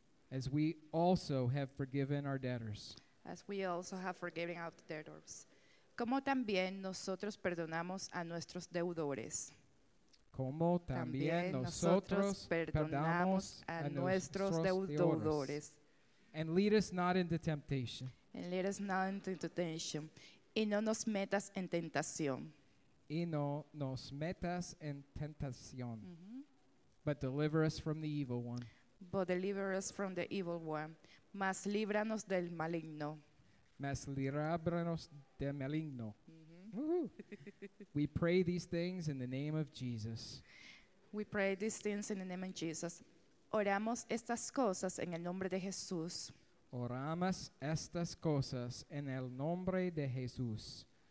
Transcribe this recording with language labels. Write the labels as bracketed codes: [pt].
[en] As we also have forgiven our debtors. As we also have forgiven our debtors. [es] Como también nosotros perdonamos a nuestros deudores. Como también nosotros perdonamos a nuestros deudores. [en] And lead us not into temptation. And lead us not into temptation. [es] Y no nos metas en tentación. Y no nos metas en tentación. [en] But deliver us from the evil one. But deliver us from the evil one. [es] Mas líbranos del maligno. Mas líbranos del maligno. [en] We pray these things in the name of Jesus. We pray these things in the name of Jesus. [es] Oramos estas cosas en el nombre de Jesús. Oramos estas cosas en el nombre de Jesús.